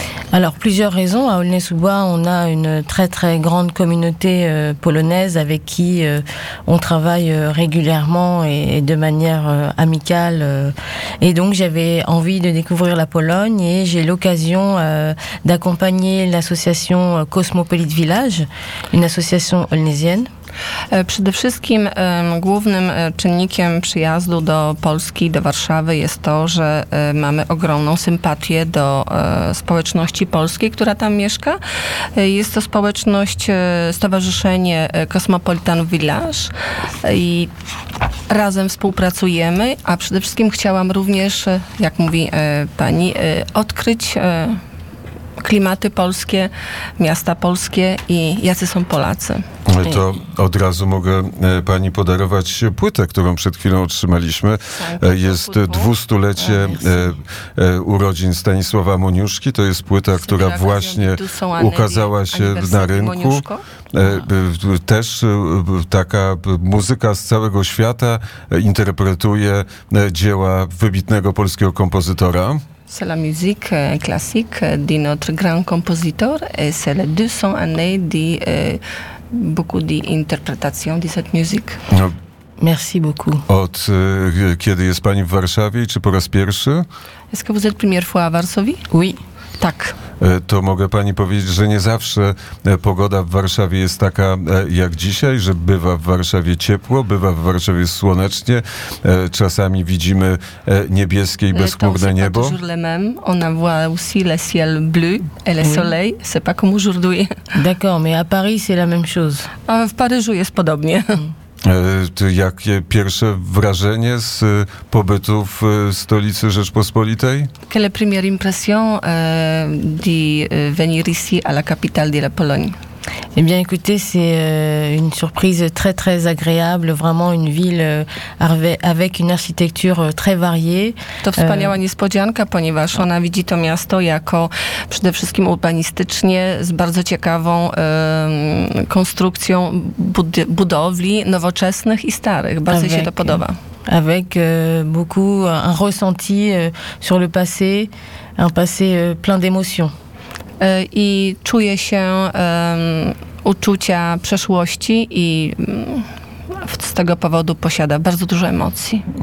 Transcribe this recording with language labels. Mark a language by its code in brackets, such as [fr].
[fr] Alors, plusieurs raisons. À Aulnay-sous-Bois, on a une très très grande communauté polonaise avec qui on travaille régulièrement et de manière amicale. Et donc, j'avais envie de découvrir la Pologne et j'ai l'occasion d'accompagner l'association Cosmopolite Village, une association aulnaisienne. [pl] Przede wszystkim głównym czynnikiem przyjazdu do Polski, do Warszawy jest to, że mamy ogromną sympatię do społeczności polskiej, która tam mieszka. Jest to społeczność, Stowarzyszenie Cosmopolitan Village i razem współpracujemy, a przede wszystkim chciałam również, jak mówi pani, odkryć klimaty polskie, miasta polskie i jacy są Polacy. To od razu mogę pani podarować płytę, którą przed chwilą otrzymaliśmy. Jest dwustulecie urodzin Stanisława Moniuszki. To jest płyta, która właśnie ukazała się na rynku. Też taka muzyka z całego świata interpretuje dzieła wybitnego polskiego kompozytora. [fr] C'est la musique classique de notre grand compositeur et c'est les 200 années de beaucoup d'interprétation de cette musique. [pl] No. [fr] Merci beaucoup. [pl] Od kiedy jest pani w Warszawie, czy po raz pierwszy? [fr] Est-ce que vous êtes première fois à Varsovie? Oui. [pl] Tak. To mogę pani powiedzieć, że nie zawsze pogoda w Warszawie jest taka jak dzisiaj, że bywa w Warszawie ciepło, bywa w Warszawie słonecznie. Czasami widzimy niebieskie i bezchmurne niebo. [fr] Toujours le même, on a voit aussi le ciel bleu et le soleil, c'est pas comme aujourd'hui. D'accord, mais à Paris c'est la même chose. [pl] A w Paryżu jest podobnie. Jakie pierwsze wrażenie z pobytu w stolicy Rzeczpospolitej? [fr] Quelle première impression de venir ici à la capitale de la Pologne? Eh bien, écoutez, c'est une surprise très très agréable, vraiment une ville avec une architecture très variée. [pl] To wspaniała niespodzianka, ponieważ ona widzi to miasto jako przede wszystkim urbanistycznie z bardzo ciekawą konstrukcją budowli nowoczesnych i starych. Bardzo jej się to podoba. [fr] Avec beaucoup un ressenti sur le passé, un passé plein d'émotions. [pl] I czuję się uczucia przeszłości i z tego powodu posiada bardzo dużo emocji.